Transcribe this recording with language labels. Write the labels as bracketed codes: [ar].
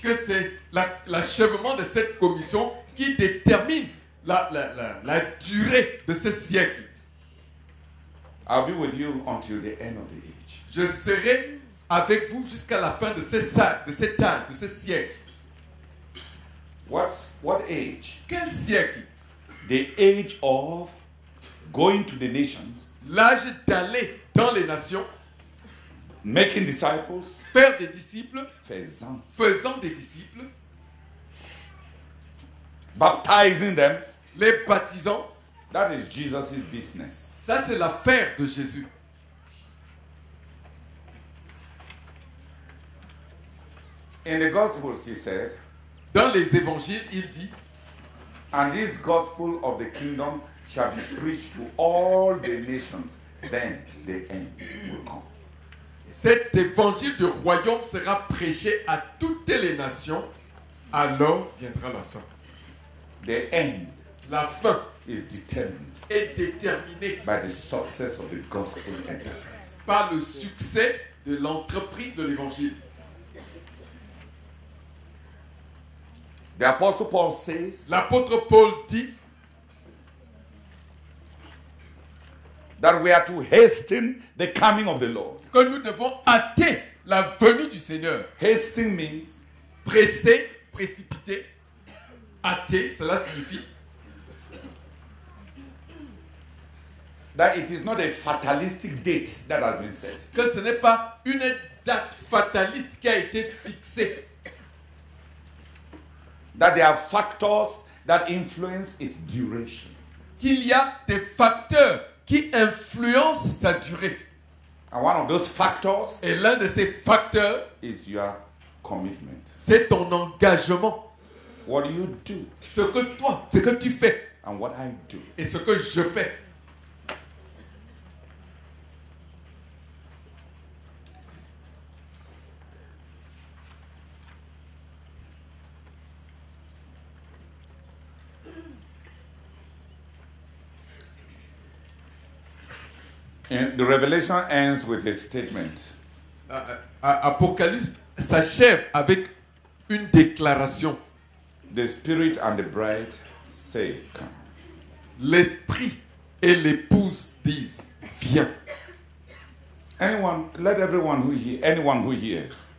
[fr] Que c'est l'achèvement de cette commission qui détermine la durée de ce siècle. [en] I'll be with you until the end of the age. [fr] Je serai avec vous jusqu'à la fin de ce siècle. [en] What age? [fr] Quel siècle? [en] The age of going to the nations. [fr] L'âge d'aller dans les nations. [en] Making disciples. [fr] Faire des disciples. Faisant des disciples. [en] Baptizing them. [fr] Les baptisant. [en] That is Jesus' business. [fr] Ça, c'est l'affaire de Jésus. [en] In the Gospels, he said, [fr] dans les évangiles, il dit, [en] and this gospel of the kingdom shall be preached to all the nations, then the end will come. [fr] Cet évangile du royaume sera prêché à toutes les nations, alors viendra la fin. [en] The end. [fr] La fin [en] is determined. [fr] Est déterminé [en] by the success of the gospel enterprise. [fr] Par le succès de l'entreprise de l'évangile. [en] The apostle Paul says, [fr] l'apôtre Paul dit, [en] that we are to hasten the coming of the Lord. [fr] Que nous devons hâter la venue du Seigneur. [en] Hasten means [fr] presser, précipiter, hâter, cela signifie [en] that it is not a fatalistic date that has been set. [fr] Que ce n'est pas une date fataliste qui a été fixée. [en] That there are factors that influence its duration. [fr] Qu'il y a des facteurs qui influencent sa durée. [en] And one of those factors, [fr] et l'un de ces facteurs, [en] is your commitment. [fr] C'est ton engagement. [en] What do you do? [fr] Ce que toi, ce que tu fais. [en] And what I do. [fr] Et ce que je fais. [en] And the revelation ends with a statement. [fr] Apocalypse s'achève avec une déclaration. [en] The spirit and the bride say, come. [fr] L'esprit et l'épouse disent, viens. [en] Anyone, let everyone who hears, anyone who hears.